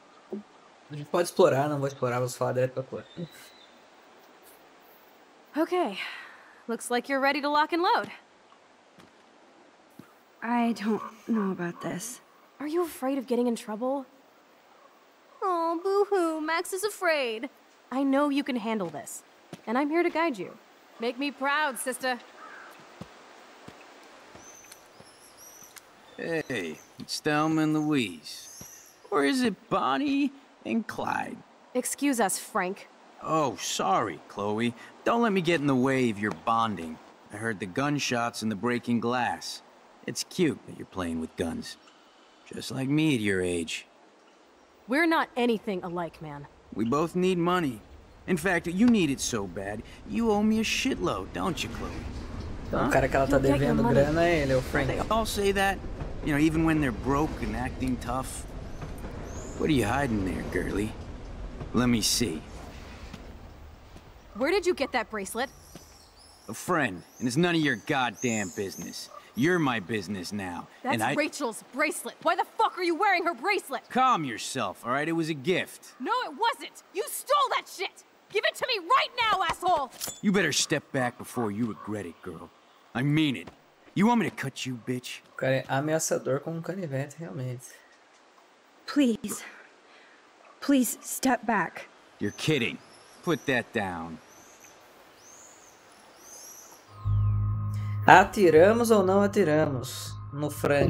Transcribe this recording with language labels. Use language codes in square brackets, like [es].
[pt] A gente pode explorar, não vou explorar, vou falar direto pra Chloe. [en] Okay, looks like you're ready to lock and load. I don't know about this. Are you afraid of getting in trouble? Oh, boo-hoo, Max is afraid. I know you can handle this, and I'm here to guide you. Make me proud, sister. Hey, it's Thelma and Louise. Or is it Bonnie and Clyde? Excuse us, Frank. Oh, sorry, Chloe. Don't let me get in the way of your bonding. I heard the gunshots and the breaking glass. It's cute that you're playing with guns. Just like me at your age. We're not anything alike, man. We both need money. In fact, you need it so bad, you owe me a shitload, don't you, Chloe? [pt] Então, o cara que ela tá devendo grana é ele, o Frank. [en] They all say that, you know, even when they're broke and acting tough. What are you hiding there, girlie? Let me see. Where did you get that bracelet? A friend, and it's none of your goddamn business. You're my business now. That's Rachel's bracelet. Why the fuck are you wearing her bracelet? Calm yourself, all right? It was a gift. No, it wasn't. You stole that shit. Give it to me right now, asshole. You better step back before you regret it, girl. I mean it. You want me to cut you, bitch? [pt] O cara é ameaçador com um canivete, realmente. [en] Please. Please step back. You're kidding. Put that down. [pt] Atiramos ou não atiramos no Frank?